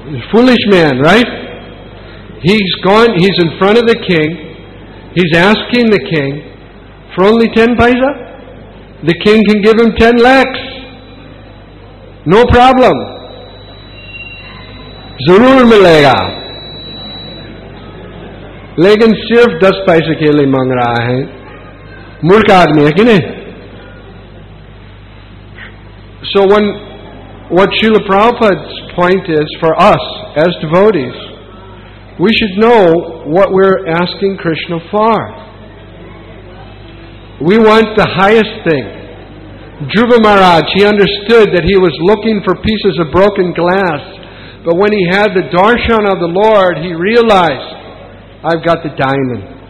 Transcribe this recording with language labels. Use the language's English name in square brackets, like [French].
[English] Foolish man, right? He's gone, he's in front of the king, he's asking the king for only 10 paisa. The king can give him 10 lakhs. No problem. [Hindi] ज़रूर मिलेगा. लेकिन सिर्फ 10 पैसे के लिए मांग रहा है. मूर्ख आदमी है कि नहीं? [English] So when, what Srila Prabhupada's point is for us as devotees, we should know what we're asking Krishna for. We want the highest thing. Dhruva Maharaj, he understood that he was looking for pieces of broken glass, but when he had the darshan of the Lord, he realized, I've got the diamond.